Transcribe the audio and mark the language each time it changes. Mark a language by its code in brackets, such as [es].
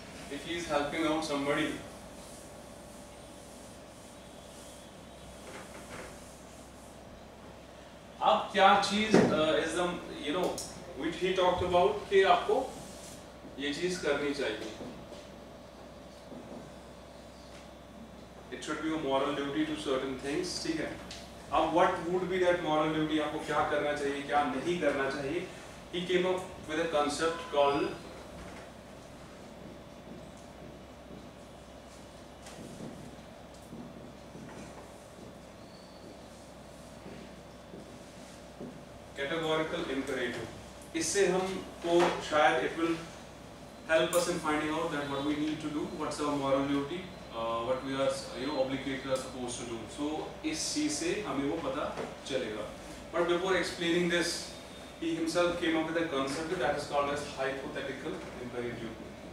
[en] If he is helping out somebody, अब क्या चीज is the, you know, which he talked about [hi] कि आपको ये चीज करनी चाहिए. [en] It should be a moral duty to certain things, ठीक है. [hi] अब [en] what would be that moral duty, [hi] आपको क्या करना चाहिए क्या नहीं करना चाहिए. [en] He came up with a concept called categorical imperative. [hi] इससे हम को शायद [en] it will help us in finding out that what we need to do, what's our moral duty, what we are, you know, obligated or supposed to do. [hi] So इस चीज से हमें वो पता चलेगा. [en] But before explaining this, he himself came up with a concept that is called as hypothetical imperative.